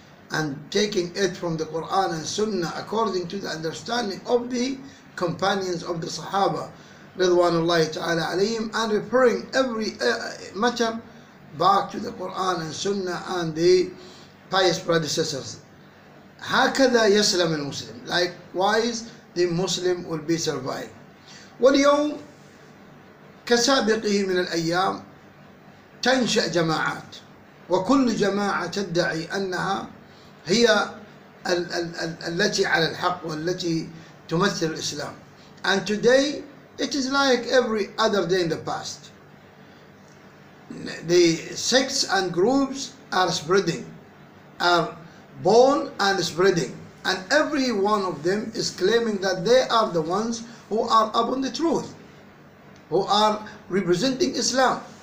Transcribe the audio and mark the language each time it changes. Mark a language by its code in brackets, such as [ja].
[en] and taking it from the Quran and Sunnah according to the understanding of the companions of the Sahaba Ridwanullahi ta'ala alayhim, and referring every matter back to the Quran and Sunnah and the pious predecessors. [ar] هكذا يسلم المسلم. [en] Likewise, the Muslim will be survived. [ar] واليوم كسابقه من الأيام تنشأ جماعات، وكل جماعة تدعي أنها هي التي على الحق والتي تمثل الإسلام. [en] And today it is like every other day in the past. The sects and groups are spreading, are born and spreading, and every one of them is claiming that they are the ones who are upon the truth, who are representing Islam.